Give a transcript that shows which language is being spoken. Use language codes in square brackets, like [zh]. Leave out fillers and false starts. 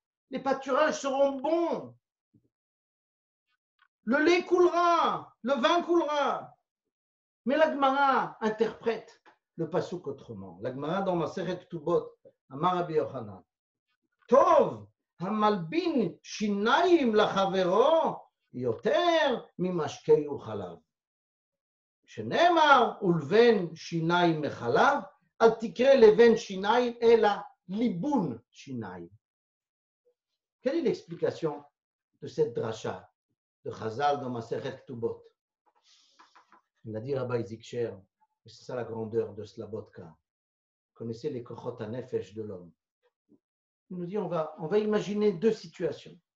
[fr] Les pâturages seront bons. Le lait coulera, le vin coulera. Mais la Gemara interprète le pasouk autrement. La Gemara dans Maseret Ketubot, [he] Amar Rabbi Yochanan. Tov המלבין שיניים לחברו יותר ממשקי וחלב. שנאמר, ולבן שיניים מחלב, אל תקרא לבן שיניים, אלא ליבון שיניים. [fr] Quelle est l'explication de cette drasha de Chazal dans Maseret Ktubot? On a dit Rabbi Zikcher, et c'est ça la grandeur de Slabotka. Connaissez les kochot hanefesh de l'homme. Il nous dit, on va imaginer deux situations.